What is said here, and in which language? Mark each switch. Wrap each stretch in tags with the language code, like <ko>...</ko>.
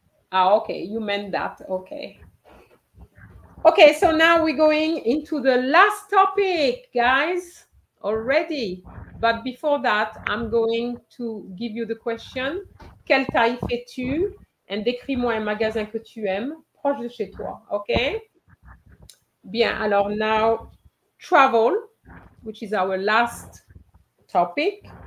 <en>Ah, okay, you meant that, okay. Okay, so now we're going into the last topic, guys, already. But before that, I'm going to give you the question.</en> <fr>Quelle taille fais-tu? Et décris-moi un magasin que tu aimes proche de chez toi. OK? Bien, alors</fr> <en>now, travel, which is our last topic.</en>